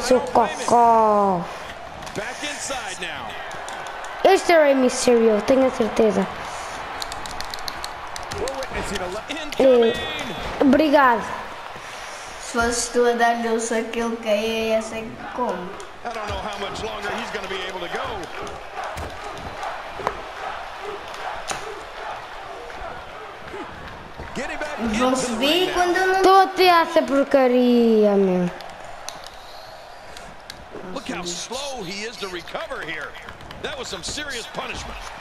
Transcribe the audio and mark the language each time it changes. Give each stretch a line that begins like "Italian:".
Portuguese: Seu cocó. Este é o Rey Mysterio, tenho a certeza. E, obrigado. Se fosse tu a dar-lhe o saco, ele caia e ia ser como.
English: I don't know how much longer he's going to be able to go.
Portuguese: Vão subir quando eu não... Estou a tirar essa porcaria, meu.
English: Look how slow he is to recover here. That was some serious punishment.